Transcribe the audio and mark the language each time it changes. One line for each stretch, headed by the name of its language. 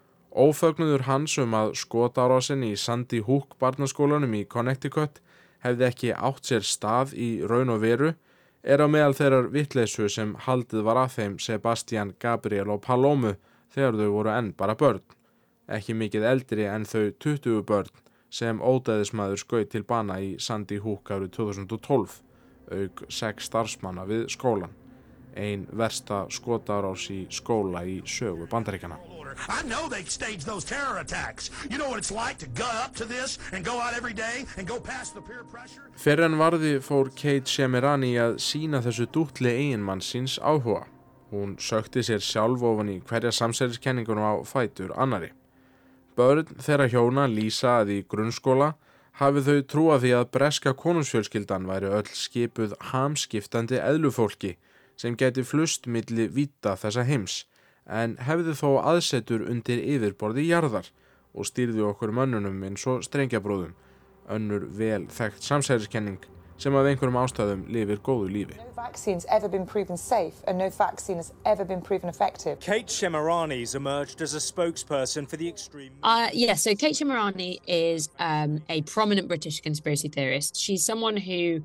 Icelandic: Ófögnuður hans að skotárásin í Sandy Hook barnaskólanum í Connecticut hefði ekki átt sér stað í raun og veru, á meðal þeirrar vitleysu sem haldið var að þeim Sebastian, Gabriel og Palomu þegar þau voru enn bara börn. Ekki mikið eldri en þau 20 börn sem ódæðismaður skaut til bana í Sandy Hook árið 2012, auk 6 starfsmanna við skólan. Ein versta skotárás í skóla í sögu Bandaríkjanna.
English: I know they staged those terror attacks. You know what it's like to go up to this and go out every day and go past the peer pressure?
Icelandic: Fyrr en varði fór Kate Shemirani að sýna þessu dútli eiginmann síns áhuga. Hún sökti sér sjálf ofan í hverja samsæriskenningunum á fætur annari. Börn þeirra hjóna Lisa að í grunnskóla hafi þau trúað því að breska konungsfjölskyldan væri öll skipuð hamskiptandi eðlufólki sem gæti flust milli víta þessa heims. En hefði þó aðsetur undir yfirborði jarðar og stýrði okkur mönnunum eins og strengjabróðum, önnur vel þekkt samsæriskenning sem af einhverjum ástæðum lifir góðu lífi.
English: No vaccine's ever been proven safe and no vaccine has ever been proven effective. Kate Shemirani's emerged as a spokesperson for the extreme... So Kate Shemirani is a prominent British conspiracy theorist. She's someone who...